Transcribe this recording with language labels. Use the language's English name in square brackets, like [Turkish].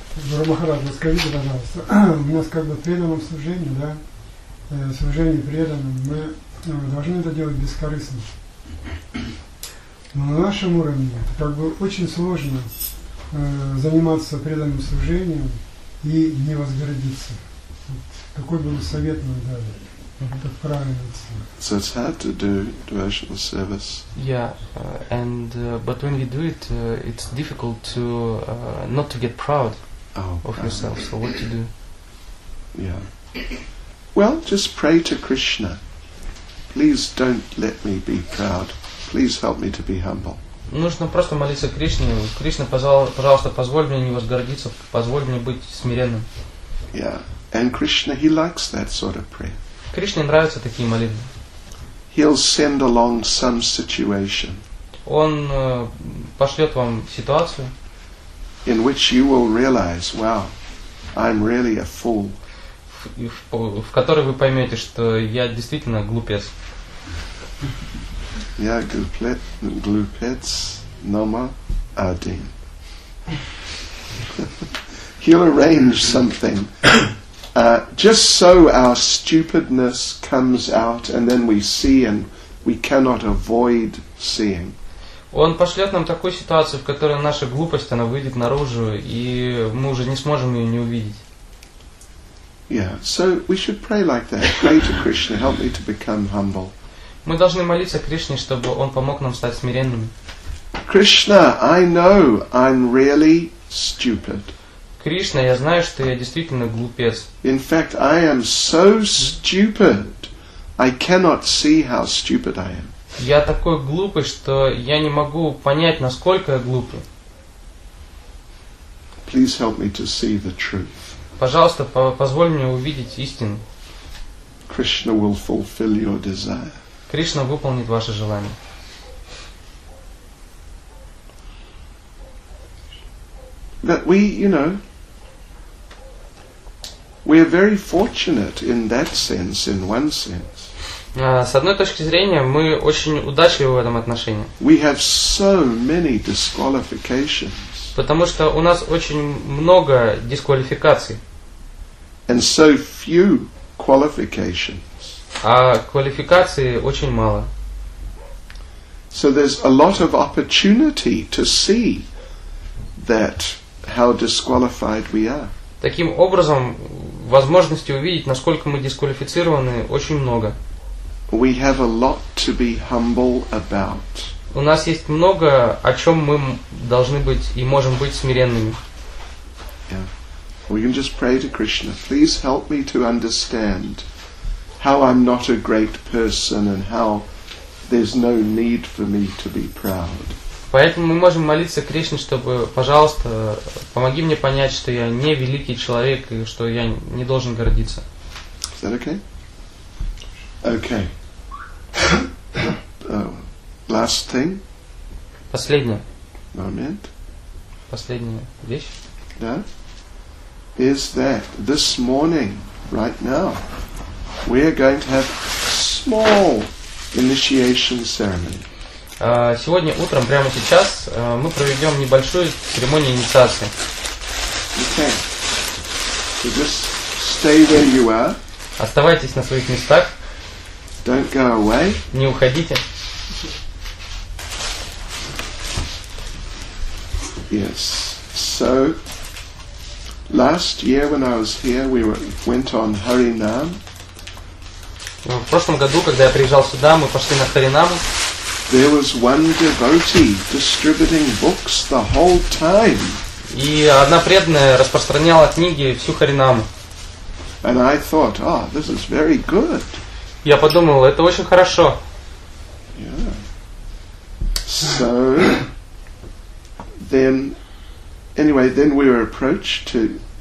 [Russian] Гуру Махарадж, скажите, пожалуйста, у нас как бы преданном служении, да, служение преданным, мы должны это делать бескорыстно. Но на нашем уровне это как бы очень сложно заниматься преданным служением и не возгордиться. Вот, какой бы вы совет нам дали, как правильно это сделать? [English] So it's hard to do devotional service. Yeah, and but when we do it, it's difficult to not to get proud. Oh, of yourself. So what to do? Yeah. Well, just pray to Krishna. Please don't let me be proud. Please help me to be humble. [Russian] Нужно просто молиться Кришне. Кришна, пожалуйста, позволь мне не возгордиться, позволь мне быть смиренным. Yeah. [English] And Krishna, he likes that sort of prayer. [Russian] Кришне нравятся такие молитвы. [English] He'll send along some situation. [Russian] Он пошлет вам ситуацию. [English] In which you will realize, wow, I'm really a fool. [Russian] В которой вы поймете, что я действительно глупец. Я глупец номер один. [English] He'll arrange something just so our stupidness comes out, and then we see, and we cannot avoid seeing. [Russian] Он пошлет нам такую ситуацию, в которой наша глупость, она выйдет наружу, и мы уже не сможем ее не увидеть. [English] Yeah, so we should pray like that. Pray to Krishna, help me to become humble. [Russian] Мы должны молиться Кришне, чтобы он помог нам стать смиренными. [English] Krishna, I know I'm really stupid. [Russian] Кришна, я знаю, что я действительно глупец. [English] In fact, I am so stupid, I cannot see how stupid I am. [Russian] Я такой глупый, что я не могу понять, насколько я глупый. [English] Please help me to see the truth. [Russian] Пожалуйста, позволь мне увидеть истину. [English] Krishna will fulfill your desire. [Russian] Кришна выполнит ваше желание. [English] But we, you know, we are very fortunate in that sense, in one sense. [Russian] С одной точки зрения, мы очень удачливы в этом отношении. [English] We have so many disqualifications. [Russian] Потому что у нас очень много дисквалификаций. [English] And so few qualifications. [Russian] А квалификаций очень мало. [English] So there's a lot of opportunity to see that how disqualified we are. [Russian] Таким образом, возможности увидеть, насколько мы дисквалифицированы, очень много. [English] We have a lot to be humble about. [Russian] У нас есть много, о чем мы должны быть и можем быть смиренными. [English] Yeah. We can just pray to Krishna. Please help me to understand how I'm not a great person and how there's no need for me to be proud. [Russian] Поэтому мы можем молиться Кришне, чтобы, пожалуйста, помоги мне понять, что я не великий человек и что я не должен гордиться. [English] Is that okay? Okay. Last thing. [Russian] Последнее. Момент. Последняя вещь. Да. [English] Is that this morning, right now, we are going to have small initiation ceremony. [Russian] Сегодня утром, прямо сейчас, мы проведем небольшую церемонию инициации. [English] Okay. So just stay where you are. [Russian] Оставайтесь на своих местах. [English] Don't go away. [Russian] Не уходите. [English] Yes. So last year when I was here, we went on Harinam. [Russian] В прошлом году, когда я приезжал сюда, мы пошли на Харинаму. [English] There was one devotee distributing books the whole time. [Russian] И одна преданная распространяла книги всю Харинаму. [English] And I thought, oh, this is very good. [Russian] Я подумал, это очень хорошо. Yeah. [English] So then, anyway, then we were approached to